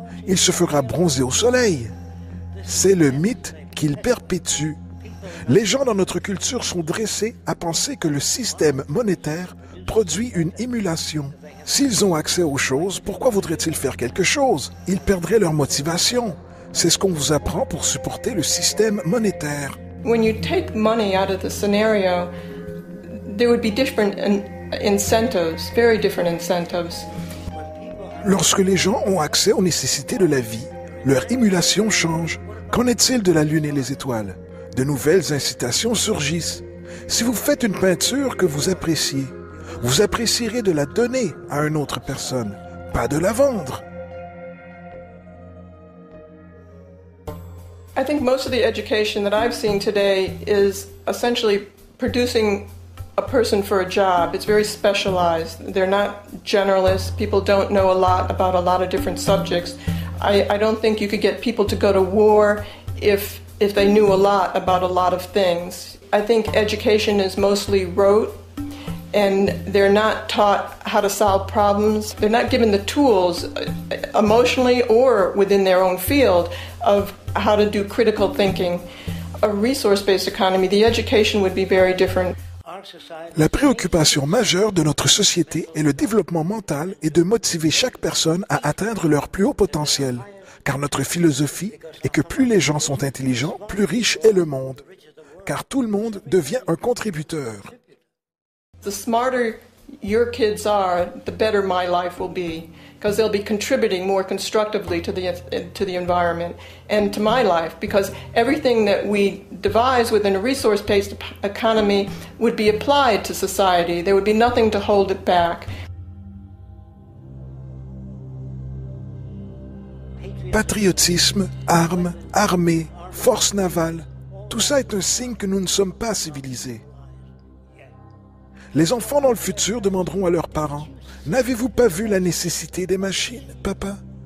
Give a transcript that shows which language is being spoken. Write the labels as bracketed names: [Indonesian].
[French] Il se fera bronzer au soleil. C'est le mythe qu'il perpétue. Les gens dans notre culture sont dressés à penser que le système monétaire produit une émulation. S'ils ont accès aux choses, pourquoi voudraient-ils faire quelque chose? Ils perdraient leur motivation. C'est ce qu'on vous apprend pour supporter le système monétaire. [English] When you take money out of the scenario, there would be different incentives, very different incentives. [French] Lorsque les gens ont accès aux nécessités de la vie, leur émulation change. Qu'en est-il de la lune et les étoiles? De nouvelles incitations surgissent. Si vous faites une peinture que vous appréciez, vous apprécierez de la donner à une autre personne, pas de la vendre. [English] I think most of the education that I've seen today is essentially producing a person for a job. It's very specialized. They're not generalists. People don't know a lot about a lot of different subjects. I don't think you could get people to go to war if they knew a lot about a lot of things. I think education is mostly rote, and they're not taught how to solve problems. They're not given the tools, emotionally or within their own field, of how to do critical thinking. A resource-based economy, the education would be very different. [French] La préoccupation majeure de notre société est le développement mental et de motiver chaque personne à atteindre leur plus haut potentiel. Car notre philosophie est que plus les gens sont intelligents, plus riche est le monde. Car tout le monde devient un contributeur. [English] The smarter your kids are, the better my life will be, because they'll be contributing more constructively to the environment and to my life, because everything that we devise within a resource-based economy would be applied to society. There would be nothing to hold it back. [French] Patriotisme, armes, armées, forces navales, tout ça est un signe que nous ne sommes pas civilisés. Les enfants dans le futur demanderont à leurs parents, « N'avez-vous pas vu la nécessité des machines, papa?